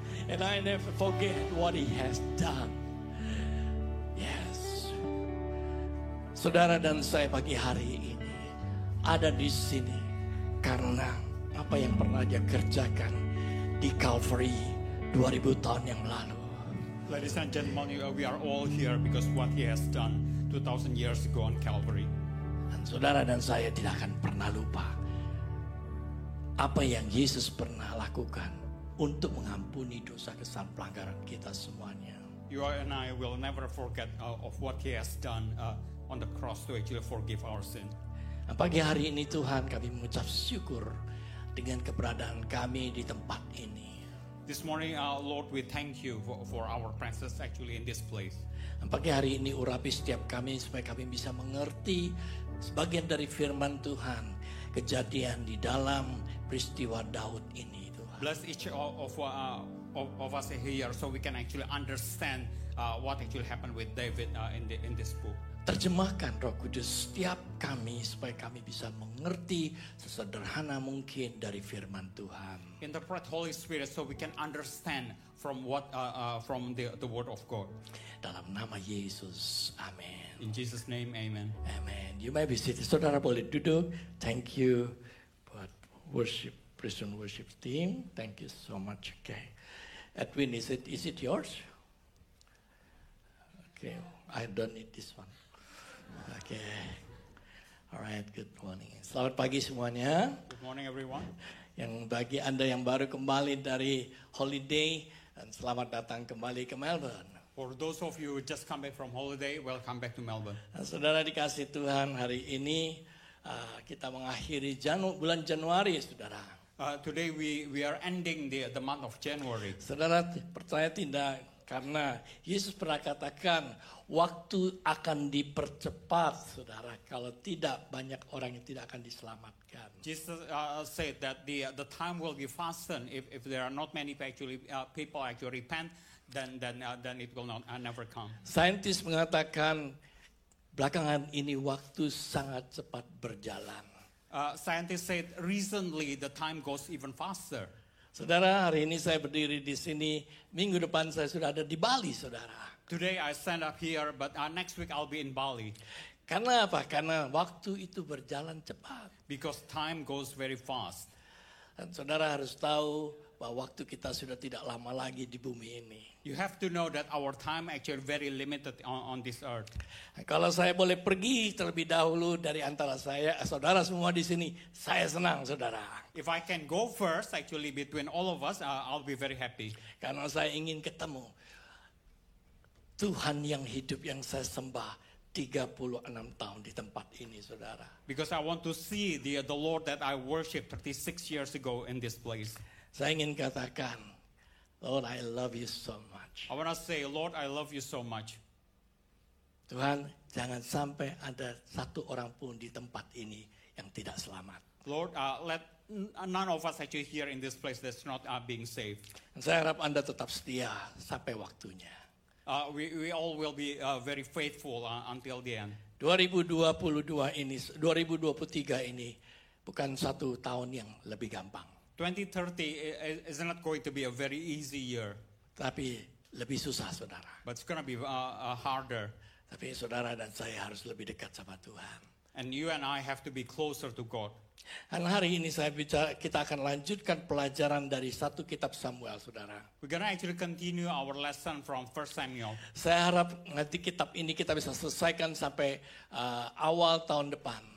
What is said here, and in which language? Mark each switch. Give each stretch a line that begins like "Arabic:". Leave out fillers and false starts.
English: And I never forget what he has done. Yes.
Indonesian: Saudara dan saya pagi hari ini ada di sini karena apa yang pernah dia kerjakan di Calvary 2000 tahun yang lalu.
English: Ladies and gentlemen, we are all here because what he has done 2000 years ago on Calvary.
Indonesian: Dan saudara dan saya tidak akan pernah lupa apa yang Yesus pernah lakukan untuk mengampuni dosa kesalahan pelanggaran kita semuanya.
English: You and I will never forget of what he has done on the cross to actually forgive our sin.
Indonesian: Pagi hari ini Tuhan, kami mengucap syukur dengan keberadaan kami di tempat ini.
English: This morning, Lord, we thank you for our presence actually in this place.
Indonesian: Pagi hari ini urapi setiap kami supaya kami bisa mengerti sebagian dari firman Tuhan, kejadian di dalam peristiwa Daud ini, Tuhan.
English: Bless each of us here so we can actually understand what actually happened with David in this book.
Indonesian: Terjemahkan Roh Kudus setiap kami supaya kami bisa mengerti sesederhana mungkin dari firman Tuhan.
English: Interpret Holy Spirit so we can understand from what from the word of God.
Indonesian: Dalam nama Yesus, amin.
English: In Jesus name, amen. Amen. You may be seated.
Indonesian: Saudara boleh duduk.
English: Thank you buat worship, prison worship team. Thank you so much. Okay. Edwin, is it yours? Okay. I don't need this one. Oke, okay. Alright, good morning.
Indonesian: Selamat pagi semuanya.
English: Good morning everyone.
Indonesian: Yang bagi Anda yang baru kembali dari holiday, dan selamat datang kembali ke Melbourne.
English: For those of you who just come back from holiday, welcome back to Melbourne.
Indonesian: Dan saudara dikasih Tuhan, hari ini kita mengakhiri bulan Januari, saudara.
English: Today we are ending the month of January.
Indonesian: Saudara percaya tidak? Karena Yesus pernah katakan waktu akan dipercepat, saudara, kalau tidak banyak orang yang tidak akan diselamatkan.
English: Jesus said that the time will be fastened if there are not many actually people actually repent, then it will never come.
Indonesian: Scientist mengatakan belakangan ini waktu sangat cepat berjalan.
English: Scientist said recently the time goes even faster.
Indonesian: Saudara, hari ini saya berdiri di sini. Minggu depan saya sudah ada di Bali, saudara.
English: Today I stand up here, but next week I'll be in Bali.
Indonesian: Karena apa? Karena waktu itu berjalan cepat.
English: Because time goes very fast.
Indonesian: Dan saudara harus tahu bahwa waktu kita sudah tidak lama lagi di bumi ini.
English: You have to know that our time actually very limited on this earth.
Indonesian: Kalau saya boleh pergi terlebih dahulu dari antara saya, saudara semua di sini, saya senang, saudara.
English: If I can go first actually between all of us, I'll be very happy.
Indonesian: Karena saya ingin ketemu Tuhan yang hidup yang saya sembah 36 tahun di tempat ini, saudara.
English: Because I want to see the Lord that I worship 36 years ago in this place.
Indonesian: Saya ingin katakan,
English: Lord, I love you so much. I want to say, Lord, I love you so much.
Indonesian: Tuhan, jangan sampai ada satu orang pun di tempat ini yang tidak selamat.
English: Lord, let none of us actually here in this place that's not being saved.
Indonesian: Saya harap Anda tetap setia sampai waktunya.
English: We all will be very faithful until the end.
Indonesian: 2022 ini, 2023 ini bukan satu tahun yang lebih gampang.
English: 2030 is not going to be a very easy year.
Indonesian: Tapi lebih susah, saudara.
English: But it's going to be harder.
Indonesian: Tapi saudara dan saya harus lebih dekat sama Tuhan.
English: And you and I have to be closer to God.
Indonesian: Dan hari ini saya bicara, kita akan lanjutkan pelajaran dari satu kitab Samuel, saudara.
English: We're going to actually continue our lesson from 1 Samuel.
Indonesian: Saya harap nanti kitab ini kita bisa selesaikan sampai awal tahun depan.